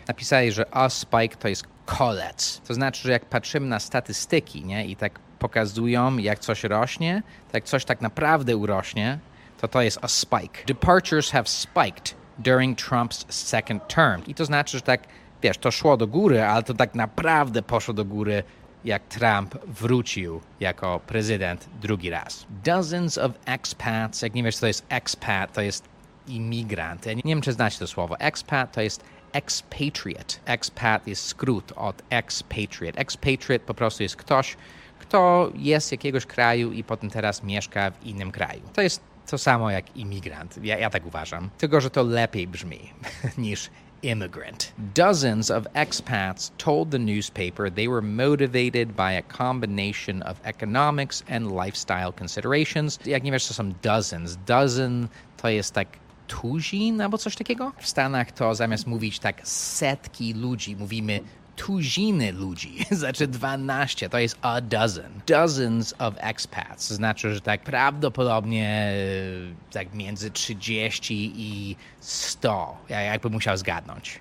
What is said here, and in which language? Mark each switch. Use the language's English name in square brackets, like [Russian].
[Polish] Napisali, że a spike to jest kolec. To znaczy, że jak patrzymy na statystyki, nie, i tak pokazują, jak coś rośnie, tak coś tak naprawdę urośnie, to jest a spike. [English] Departures have spiked during Trump's second term. [Polish] I to znaczy, że tak, wiesz, to szło do góry, ale to tak naprawdę poszło do góry, jak Trump wrócił jako prezydent drugi raz. [English] Dozens of expats, [Polish] jak nie wiesz, co to jest expat, to jest imigrant. Ja nie wiem, czy znacie to słowo. Expat to jest expatriate. Expat jest skrót od expatriate. Expatriate po prostu jest ktoś, kto jest z jakiegoś kraju i potem teraz mieszka w innym kraju. To jest to samo jak imigrant, ja tak uważam. Tylko, że to lepiej brzmi niż immigrant. [English] Dozens of expats told the newspaper they were motivated by a combination of economics and lifestyle considerations. [Polish] Jak nie wiesz, co są dozens. Dozen to jest tak tuzin albo coś takiego? W Stanach to zamiast mówić tak setki ludzi, mówimy tuziny ludzi, znaczy 12, to jest a dozen. Dozens of expats, znaczy, że tak prawdopodobnie tak między 30 i 100, jakby musiał zgadnąć.